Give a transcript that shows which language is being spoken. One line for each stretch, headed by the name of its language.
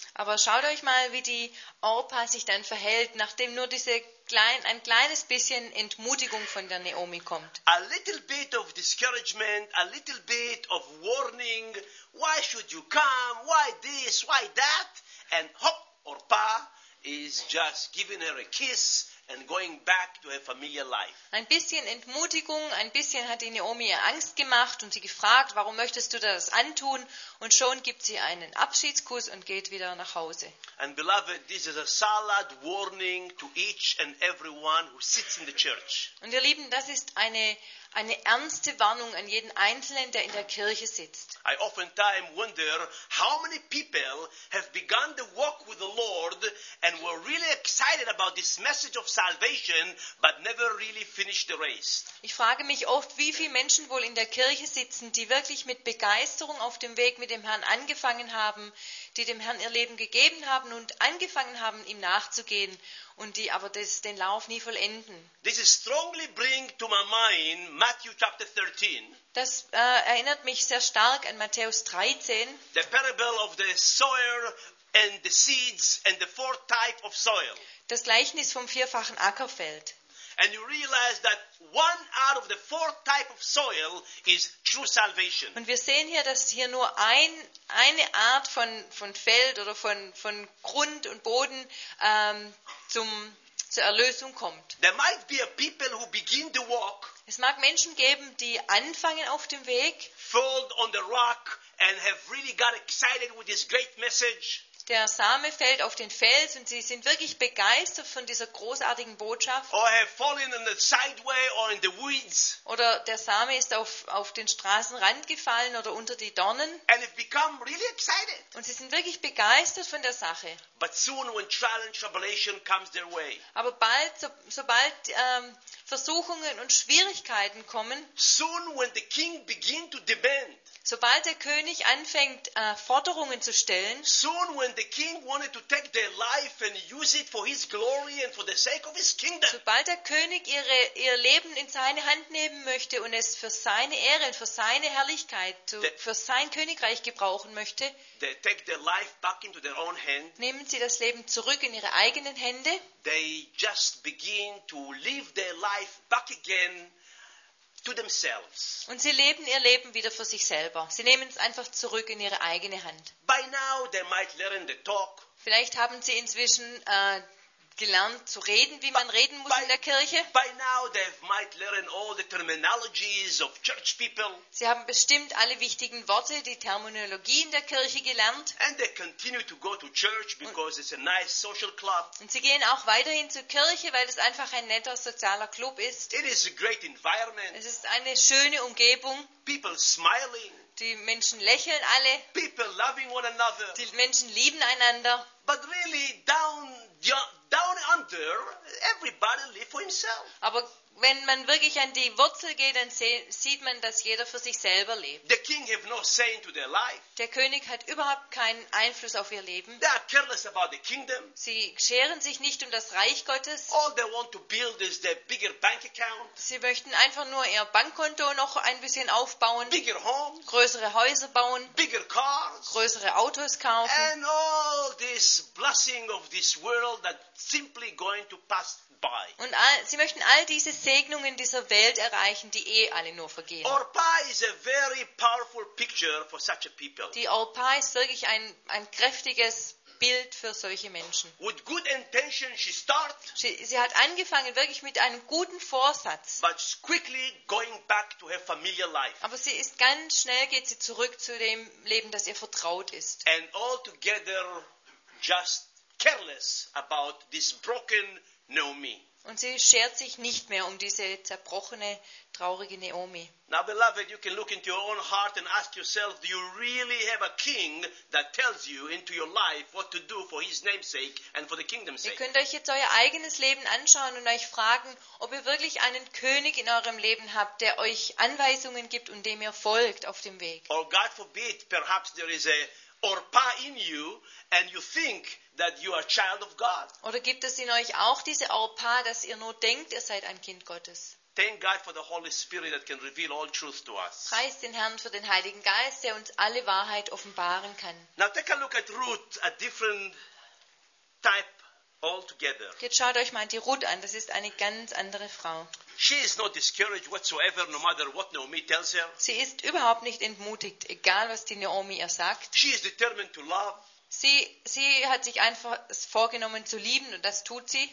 German: Aber schaut euch mal, wie die Orpah sich dann verhält, nachdem nur ein kleines bisschen Entmutigung von der Naomi kommt.
English: A little bit of discouragement, a little bit of warning, why should you come, why this, why that, and hop, Orpah is just giving her a kiss and going back to her familiar life.
German: Ein bisschen Entmutigung, ein bisschen hat die Naomi ihr Angst gemacht und sie gefragt, warum möchtest du das antun? Und schon gibt sie einen Abschiedskuss und geht wieder nach Hause.
English: And beloved, this is a solid warning to each and everyone who sits in the church.
German: Und ihr Lieben, das ist eine ernste Warnung an jeden Einzelnen, der in der Kirche sitzt.
English: I oftentimes wonder how many people have begun to walk with the Lord and were really excited about this message of salvation, but never really finished the race.
German: Ich frage mich oft, wie viele Menschen wohl in der Kirche sitzen, die wirklich mit Begeisterung auf dem Weg mit dem Herrn angefangen haben, die dem Herrn ihr Leben gegeben haben und angefangen haben, ihm nachzugehen, und die aber den Lauf nie vollenden.
English: This is strongly bring to my mind Matthew chapter 13.
German: Das erinnert mich sehr stark an Matthäus 13.
English: The parable of the sower and the seeds and the four type of soil.
German: Das Gleichnis vom vierfachen Ackerfeld.
English: And you realize that one out of the four type of soil is true salvation.
German: Und wir sehen hier, dass hier nur eine Art von Feld oder von Grund und Boden zur Erlösung kommt.
English: There might be a people who begin to walk.
German: Es mag Menschen geben, die anfangen auf dem Weg.
English: Fall on the rock and have really got excited with this great message.
German: Der Same fällt auf den Fels und sie sind wirklich begeistert von dieser großartigen Botschaft.
English: Or have fallen in the sideway or in the weeds.
German: Oder der Same ist auf den Straßenrand gefallen oder unter die Dornen.
English: And have become really excited.
German: Und sie sind wirklich begeistert von der Sache.
English: But soon when trial and tribulation comes their way.
German: Aber sobald Versuchungen und Schwierigkeiten kommen,
English: soon when the king begin to demand.
German: Sobald der König anfängt, Forderungen zu stellen,
English: soon when the king wanted to take their life and use it for his glory and for the sake of his kingdom.
German: Sobald der König ihr Leben in seine Hand nehmen möchte und es für seine Ehre und für seine Herrlichkeit, für sein Königreich gebrauchen möchte,
English: they take their life back into their own hand.
German: Nehmen sie das Leben zurück in ihre eigenen Hände.
English: They just begin to live their life back again. To themselves.
German: Und sie leben ihr Leben wieder für sich selber. Sie nehmen es einfach zurück in ihre eigene Hand.
English: By now they might learn the talk.
German: Vielleicht haben sie inzwischen gelernt zu reden, wie man reden muss in der Kirche.
English: By now they might learn all the terminologies of church people.
German: Sie haben bestimmt alle wichtigen Worte, die Terminologie in der Kirche gelernt.
English: And they continue to go to church because it's a nice social club.
German: Und sie gehen auch weiterhin zur Kirche, weil es einfach ein netter sozialer Club ist.
English: It is a great environment.
German: Es ist eine schöne Umgebung.
English: People smiling.
German: Die Menschen lächeln alle.
English: People loving one another.
German: Die Menschen lieben einander.
English: But really down under, everybody live for himself.
German: Aber wenn man wirklich an die Wurzel geht, dann sieht man, dass jeder für sich selber lebt.
English: The king have no say into their life.
German: Der König hat überhaupt keinen Einfluss auf ihr Leben.
English: They are careless about the kingdom.
German: Sie scheren sich nicht um das Reich Gottes.
English: All they want to build is their bigger bank account.
German: Sie möchten einfach nur ihr Bankkonto noch ein bisschen aufbauen.
English: Bigger homes.
German: Größere Häuser bauen.
English: Bigger cars.
German: Größere Autos kaufen.
English: And all this blessing of this world that simply going to pass.
German: Und sie möchten all diese Segnungen dieser Welt erreichen, die eh alle nur vergehen.
English: Orpah is a very powerful picture for such a people.
German: Die Orpah ist wirklich ein kräftiges Bild für solche Menschen.
English: With good intention she start,
German: sie hat angefangen wirklich mit einem guten Vorsatz.
English: But quickly going back to her familiar life.
German: Aber sie ist ganz schnell geht sie zurück zu dem Leben, das ihr vertraut ist.
English: And altogether just careless about this broken Naomi.
German: Und sie schert sich nicht mehr um diese zerbrochene, traurige Naomi.
English: Now, beloved, you can look into your own heart and ask yourself, do you really have a king that tells you into your life what to do for his name's sake and for the kingdom's sake?
German: Ihr könnt euch jetzt euer eigenes Leben anschauen und euch fragen, ob ihr wirklich einen König in eurem Leben habt, der euch Anweisungen gibt und dem ihr folgt auf dem Weg.
English: Or God forbid, perhaps there is a Orpah in you and you think that you are a child of God.
German: Oder gibt es in euch auch diese Orpah, dass ihr nur denkt, ihr seid ein Kind Gottes?
English: Thank God for the Holy Spirit that can reveal all truth to us.
German: Preist den Herrn für den Heiligen Geist, der uns alle Wahrheit offenbaren kann.
English: Now take a look at Ruth, a different type altogether.
German: Jetzt schaut euch mal die Ruth an, das ist eine ganz andere Frau.
English: She is not discouraged whatsoever, no matter what Naomi tells her.
German: Sie ist überhaupt nicht entmutigt, egal was die Naomi ihr sagt.
English: She is determined to love.
German: Sie hat sich einfach vorgenommen zu lieben und das tut sie.